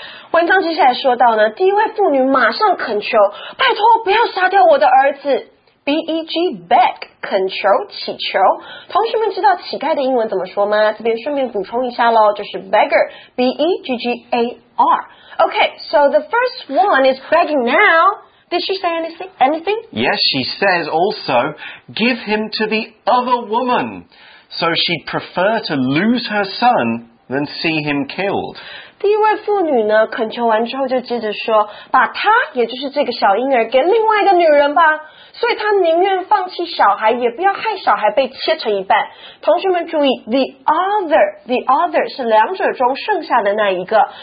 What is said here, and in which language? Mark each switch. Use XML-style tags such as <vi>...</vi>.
<zh>文章接下来说到呢，第一位妇女马上恳求，拜托不要杀掉我的儿子。 B-E-G, beg, 恳求、祈求。同学们知道乞丐的英文怎么说吗？这边顺便补充一下咯，就是 beggar, B-E-G-G-A-R.</zh> <en>Okay, so the first one is begging now. Did she say anything? Yes, she says also, give him to the other woman. So she'd prefer to lose her son than see him killed.</en> <zh>第一位妇女呢，恳求完之后就接着说，把她，也就是这个小婴儿，给另外一个女人吧。所以她宁愿放弃小孩，也不要害小孩被切成一半。同学们注意 ，the other 是两者中剩下的那一个。</zh>